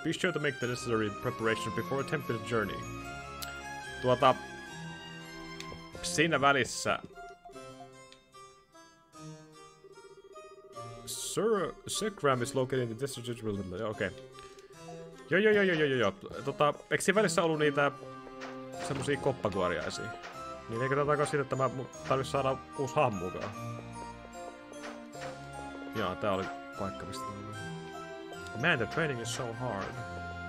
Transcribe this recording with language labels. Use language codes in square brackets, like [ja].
[en] Be sure to make the necessary preparation before attempting the journey. [fi] Siinä välissä. [en] Sekhram is located in the district. [fi] Okei. Okay. Joo. Eikö siinä välissä ollut niitä semmosia koppakuoriaisia? Niin eikö tätä kai siitä, että mä tarvitsis saada uusi hahmo mukaan? Joo, tää oli paikka, mistä tuli. [en] Man, the training is so hard.